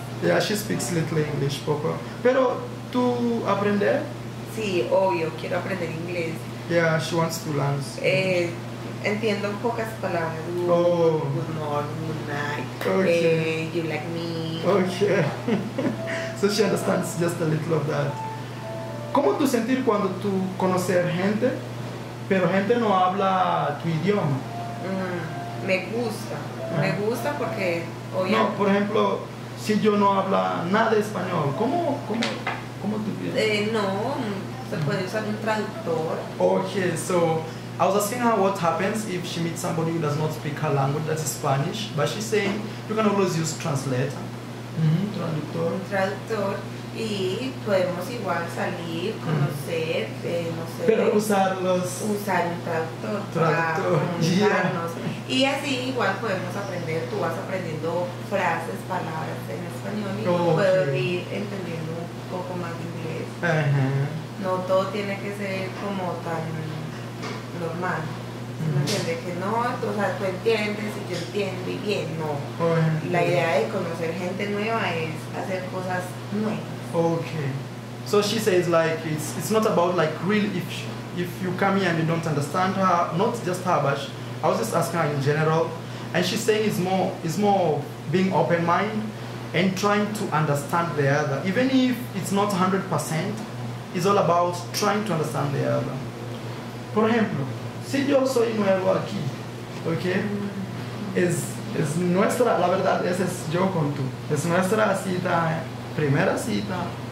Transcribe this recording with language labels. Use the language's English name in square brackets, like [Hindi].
[English] Yeah, she speaks little English, poco. [Spanish] Pero, ¿tú aprender? Sí, obvio, quiero aprender inglés. [English] Yeah, she wants to learn. [Spanish] Entiendo pocas palabras. Oh. [English] Good morning, good night. Okay. You like me. Okay. So she understands just a little of that. [Spanish] ¿Cómo tú sentir cuando tú conocer gente, pero gente no habla tu idioma? Me gusta. Me gusta porque hoy... No, por ejemplo, si yo no habla nada de español, ¿cómo tú piensas? No, se puede usar un traductor. [English] Okay, so I was asking her what happens if she meets somebody who does not speak her language, that's Spanish, but she's saying you can always use translator. [Spanish] Mm-hmm. Traductor. Traductor. Y podemos igual salir, conocer, no sé. Pero usarlos. Usar un traductor. Traductor. Comunicarnos. Yeah. Y así igual podemos aprender. Tú vas aprendiendo frases, palabras en español y puedo ir entendiendo un poco más de inglés. Uh-huh. No todo tiene que ser como tan normal. ¿Entiendes? Que no, o sea, tú entiendes y yo entiendo y bien, no. La idea de conocer gente nueva es hacer cosas nuevas. Okay. [English] So she says like it's not about like really if you come here and you don't understand her, not just her, but I was just asking her in general, and she's saying it's more being open mind and trying to understand the other, even if it's not 100%. It's all about trying to understand the other. [Spanish] Por ejemplo, si yo soy nuevo aquí, okay, es nuestra, la verdad, ese es yo con tú, es nuestra cita, primera cita.